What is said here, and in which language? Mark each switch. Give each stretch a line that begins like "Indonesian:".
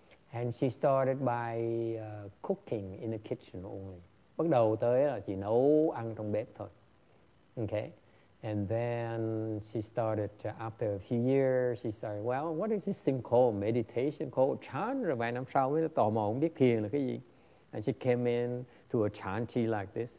English: And she started by cooking in the kitchen only.
Vietnamese: Bắt đầu tới là chỉ nấu ăn trong bếp thôi.
English: Okay? And then she started, after a few years, she started, well, what is this thing called? Meditation called chant.
Vietnamese: Rồi vài năm sau, mới tò mò không biết thiền là cái gì.
English: And she came in to a chan chi like this.